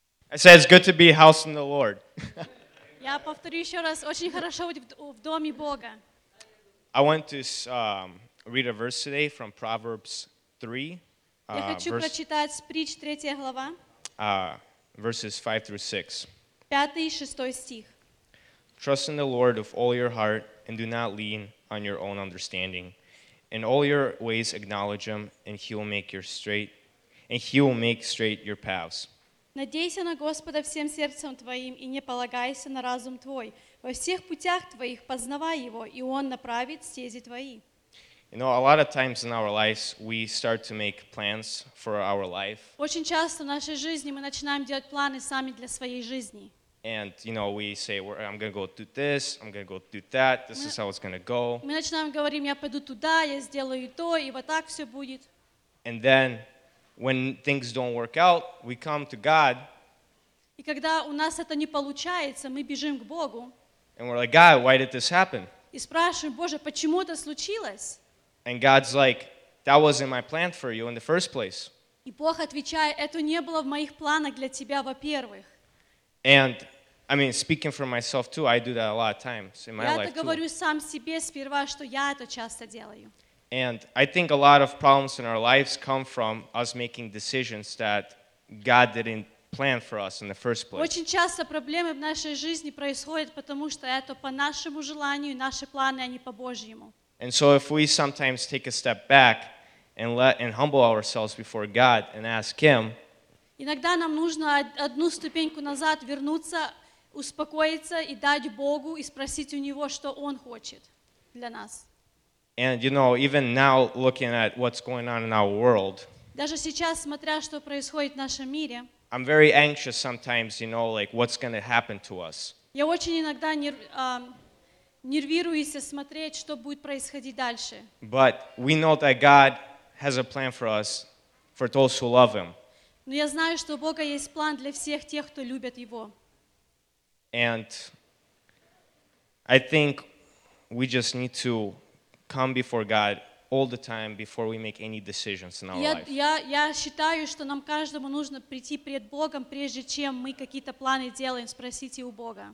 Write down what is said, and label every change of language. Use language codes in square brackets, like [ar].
[en] I said it's good to be house in the Lord. [ru] Я повторю еще раз, очень хорошо быть в доме Бога. [en] I want to read a verse today from Proverbs 3. [ru] Я хочу прочитать притч 3 глава. [en] Verses 5 through 6. [ru] 5 и 6 стих. [en] Trust in the Lord with all your heart and do not lean on your own understanding. In all your ways acknowledge him and he will make your straight and he will make straight your paths. [ru] Надейся на Господа всем сердцем твоим и не полагайся на разум твой. Во всех путях твоих познавай его, и он направит стези твои. [en] You know, a lot of times in our lives we start to make plans for our life. [ru] Очень часто в нашей жизни мы начинаем делать планы сами для своей жизни. [en] And you know, we say, I'm going to go do this, I'm going to go do that. This is how it's going to go. [ru] Мы начинаем говорить, я пойду туда, я сделаю то, и вот так все будет. [en] And then when things don't work out, we come to God. [ru] И когда у нас это не получается, мы бежим к Богу. [en] And we're like, God, why did this happen? [ru] И спрашиваем, Боже, почему это случилось? [en] And God's like, that wasn't my plan for you in the first place. [ru] И Бог отвечает, это не было в моих планах для тебя во-первых. [en] And I mean, speaking for myself too, I do that a lot of times in my life too. [ru] Я это говорю сам себе сперва, что я это часто делаю. [en] And I think a lot of problems in our lives come from us making decisions that God didn't plan for us in the first place. [ru] Очень часто проблемы в нашей жизни происходят, потому что это по нашему желанию, наши планы, а не по Божьему. [en] And so if we sometimes take a step back and humble ourselves before God and ask Him, [ru] иногда нам нужно одну ступеньку назад вернуться, успокоиться и дать Богу и спросить у Него, что Он хочет для нас. [en] And you know, even now looking at what's going on in our world, [ru] даже сейчас, смотря, что происходит в нашем мире, [en] I'm very anxious sometimes, you know, like what's going to happen to us. [ru] Я очень иногда нервируюсь смотреть, что будет происходить дальше. [en] But we know that God has a plan for us, for those who love Him. [ru] Но я знаю, что у Бога есть план для всех тех, кто любит Его. [en] And I think we just need to come before God all the time before we make any decisions in our life. [ru] Я считаю, что нам каждому нужно прийти пред Богом, прежде чем мы какие-то планы делаем, спросите у Бога.